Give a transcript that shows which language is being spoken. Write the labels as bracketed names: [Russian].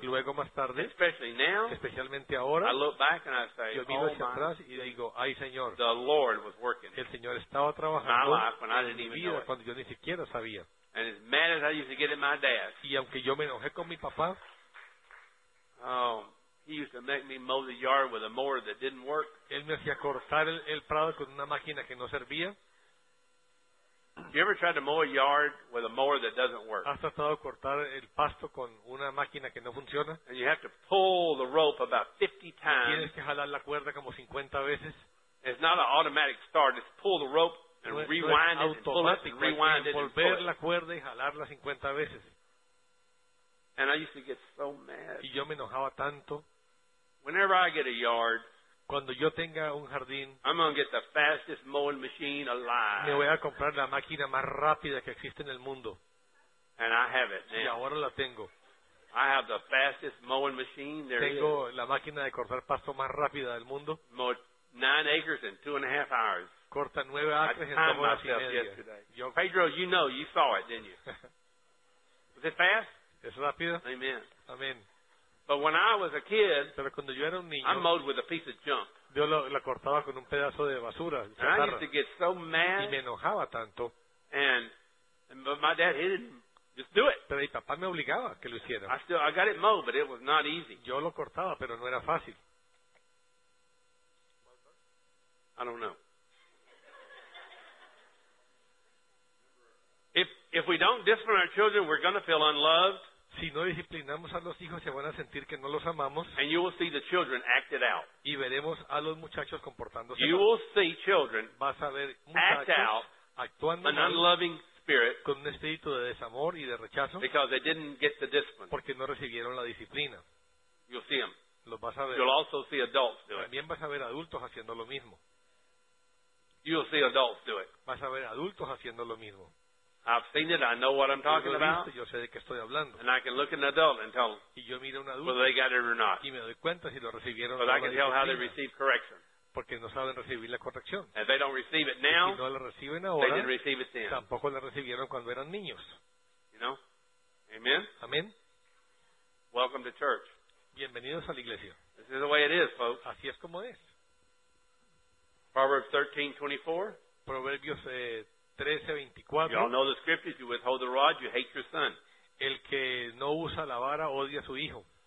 [Spanish] y luego más tarde, [English] especially now, [Spanish] especialmente ahora, [English] I look back and I say, [Spanish] yo miro hacia oh atrás y digo, ay Señor, [English] the Lord was working. [Spanish] El Señor estaba trabajando [English] my life when I didn't [Spanish] en mi [English] even [Spanish] vida [English] know it. [Spanish] Cuando yo ni siquiera sabía. [English] And as mad as I used to get at my dad, [Spanish] y aunque yo me enojé con mi papá, [English] oh, he used to make me mow the yard with a mower that didn't work. [Spanish] Él me hacía cortar el prado con una máquina que no servía. [English] You ever tried to mow a yard with a mower that doesn't work? [Spanish] ¿Has tratado de cortar el pasto con una máquina que no funciona? [English] And you have to pull the rope about 50 times. [Spanish] Tienes que jalar la cuerda como 50 veces. [English] It's not an automatic start. It's pull the rope and rewind it and pull it and rewind it. [Spanish] Volver la cuerda y jalarla 50 veces. [English] And I used to get so mad. [Spanish] Y yo me enojaba tanto. [English] Whenever I get a yard, [Spanish] cuando yo tenga un jardín, [English] I'm going to get the fastest mowing machine alive. [Spanish] Me voy a comprar la máquina más rápida que existe en el mundo. [English] And I have it now. [Spanish] Y ahora la tengo. [English] I have the fastest mowing machine there [Spanish] tengo [English] is. [Spanish] La máquina de cortar pasto más rápida del mundo. [English] Mowed 9 acres in 2.5 hours. [Spanish] Corta 9 acres en 2 horas y media. [English] Yo, Pedro, you know, you saw it, didn't you? Was it fast? [Spanish] ¿Es rápido? Amen. Amen. [English] But when I was a kid, [Spanish] pero cuando yo era un niño, [English] I mowed with a piece of junk. [Spanish] Dios la cortaba con un pedazo de basura. [English] And I used to get so mad. [Spanish] Y me enojaba tanto. [English] And but my dad, he didn't just do it. [Spanish] Pero mi papá me obligaba que lo hiciera. [English] I got it mowed, but it was not easy. [Spanish] Yo lo cortaba, pero no era fácil. [English] I don't know. If we don't discipline our children, we're going to feel unloved. [Spanish] Si no disciplinamos a los hijos, se van a sentir que no los amamos. [English] And you will see the children act it out. [Spanish] Y veremos a los muchachos comportándose. [English] You will see children [Spanish] vas a ver muchachos actuando [English] an unloving spirit [Spanish] con un espíritu de desamor y de rechazo [English] because they didn't get the discipline. [Spanish] Porque no recibieron la disciplina. [English] You'll see them. [Spanish] Los vas a ver. [English] You'll also see adults do it. [Spanish] También vas a ver adultos haciendo lo mismo. [English] You'll see adults do it. [Spanish] Vas a ver adultos haciendo lo mismo. [English] I've seen it. I know what I'm talking about. [Spanish] Yo sé de qué estoy hablando. [English] And I can look at an adult and tell [Spanish] y yo miro un adulto, [English] whether they got it or not. [Spanish] Y me doy cuenta si lo recibieron o no. [English] But I can tell how they receive correction. [Spanish] Porque no saben recibir la corrección. [English] If they don't receive it now, [Spanish] si no la reciben ahora, [English] they didn't receive it then. [Spanish] Tampoco la recibieron cuando eran niños. [English] You know? Amen. Amen. Welcome to church. [Spanish] Bienvenidos a la iglesia. [English] This is the way it is, folks. [Spanish] Así es como es. [English] Proverbs 13:24. [Spanish] Proverbios 13:24. [English] You all know the scriptures. You withhold the rod, you hate your son. [Spanish] El que no usa la vara odia a su hijo.